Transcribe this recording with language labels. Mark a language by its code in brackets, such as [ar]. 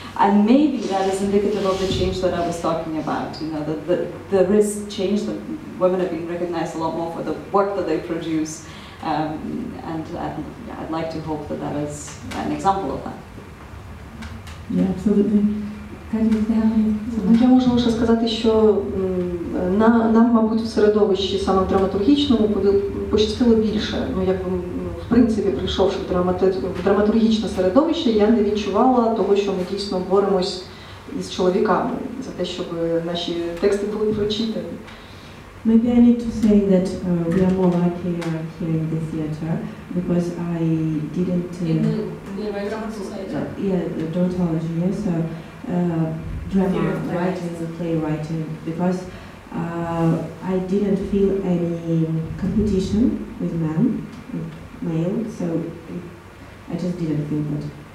[en] And maybe that is indicative of the change that I was talking about, you know, the risk change that women are being recognized a lot more for the work that they produce. And I'd like to hope that that is an example of that. Yeah, absolutely. [uk] Ну, я можу лише сказати, що нам, мабуть, в середовищі саме драматургічному пощастило більше. Ну, як в принципі, прийшовши в драматургічне середовище, я не відчувала того, що ми дійсно боремось із чоловіками за те, щоб наші тексти були прочитані. [en] Maybe I need to say that we are more lucky here in the theater because I didn't in the dramaturgy, so drama writing as a playwriting because I didn't feel any competition with men, with male, so I just didn't feel good.